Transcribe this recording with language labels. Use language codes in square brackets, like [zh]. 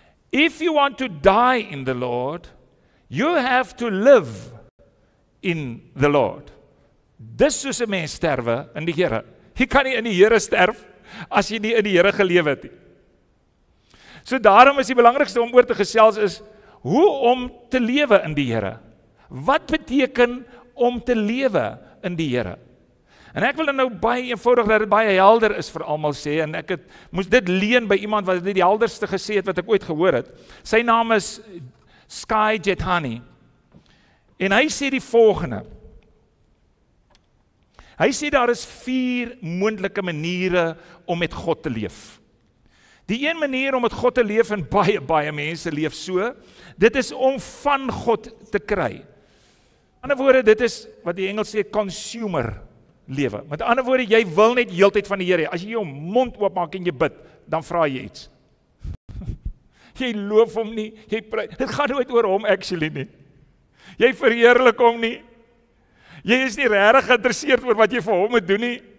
[en] If you want to die in the Lord, you have to live in the Lord. [af] Dis soos een mens sterwe in die Here. Jy kan nie in die Here sterf as jy nie in die Here gelewe het. So daarom is die belangrikste om oor te gesels is hoe om te lewe in die Here. Wat beteken om te lewe in die Here? En ek wil dan nou baie eenvoudig dat dit baie helder is vir almal sê en ek het moes dit leen by iemand wat dit die helderste gesê het wat ek ooit gehoor het. Sy naam is Sky Jethani. En hy sê die volgende. Hy sê daar is vier moontlike maniere om met God te leef. Die een manier om met God te leef en baie mense leef so, dit is om van God te kry. Met ander woorde, dit is wat die Engels sê, consumer lewe. Met ander woorde, jy wil net heeltyd van die Here. As jy jou mond oopmaak en jy bid, dan vra jy iets. Jy loof hom nie, jy pry, dit gaan nooit oor hom actually nie. Jy verheerlik hom nie. Jy is nie regtig geïnteresseerd oor wat jy vir hom moet doen nie.